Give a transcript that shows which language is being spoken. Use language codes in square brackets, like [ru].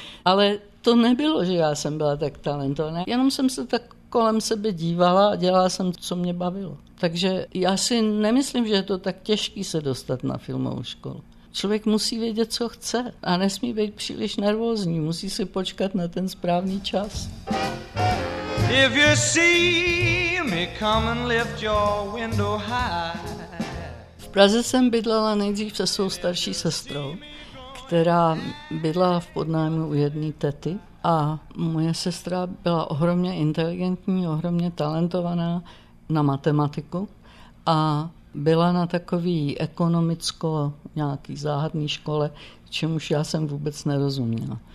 [cs] Ale to nebylo, že já jsem byla tak talentovaná, jenom jsem se tak kolem sebe dívala a dělala jsem to, co mě bavilo. Takže já si nemyslím, že je to tak těžký se dostat na filmovou školu. Člověk musí vědět, co chce, a nesmí být příliš nervózní, musí si počkat na ten správný čas. [en] If you see me, come and lift your window high. [cs] V Praze jsem bydlela nejdřív se svou starší sestrou, která bydlela v podnájmu u jedné tety. A moje sestra byla ohromně inteligentní, ohromně talentovaná na matematiku a byla na takový ekonomicko nějaký záhadný škole, čemuž já jsem vůbec nerozuměla.